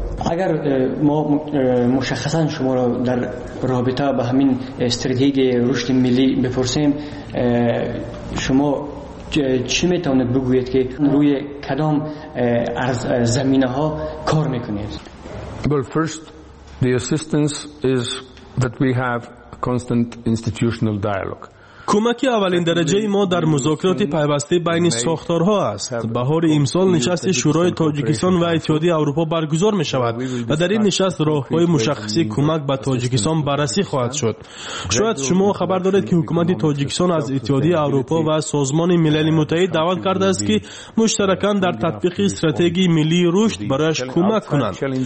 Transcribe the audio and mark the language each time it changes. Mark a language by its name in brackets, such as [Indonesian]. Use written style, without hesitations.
[Persian] اگر ما مشخصا شما را در رابطه به همین استراتژی رشد ملی بپرسیم، شما چی میتونید بگویید که روی کدام زمینه ها کار میکنید؟ [English] Well, first, the assistance is that we have constant institutional dialogue. [Persian] کمکی اولین درجه ما در مذاکرات پیوسته بین ساختارها است. بهار امسال نشست شورای تاجیکستان و اتحادیه اروپا برگزار می شود و در این نشست راه‌های مشخصی کمک به تاجیکستان بررسی خواهد شد. شاید شما خبر دارید که حکومت تاجیکستان از اتحادیه اروپا و سازمان ملل متحد دعوت کرده است که مشترکاً در تطبیق استراتژی ملی رشد برایش کمک کنند.